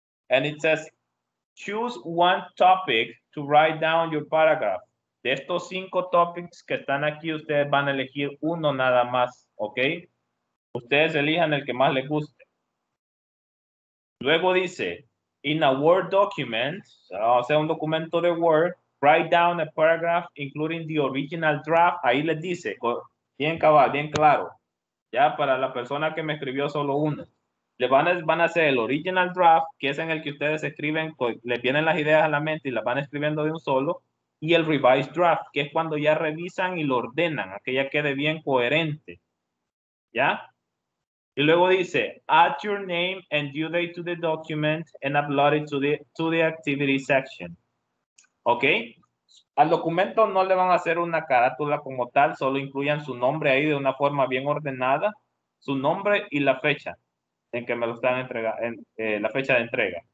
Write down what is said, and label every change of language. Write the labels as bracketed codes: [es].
[en] And it says, choose one topic to write down your paragraph. [es] De estos cinco topics que están aquí, ustedes van a elegir uno nada más, okay? Ustedes elijan el que más les guste. Luego dice, [en] in a Word document, [es] o sea, un documento de Word, [en] write down a paragraph including the original draft. [es] Ahí les dice, bien cabal, bien claro. Ya para la persona que me escribió solo uno. Les van a hacer el original draft, que es en el que ustedes escriben, les vienen las ideas a la mente y las van escribiendo de un solo. Y el revised draft, que es cuando ya revisan y lo ordenan, a que ya quede bien coherente. ¿Ya? Y luego dice, [en] add your name and due date to the document and upload it to the activity section. ¿Ok? [es] Al documento no le van a hacer una carátula como tal, solo incluyan su nombre ahí de una forma bien ordenada, su nombre y la fecha en que me lo están entregando, la fecha de entrega.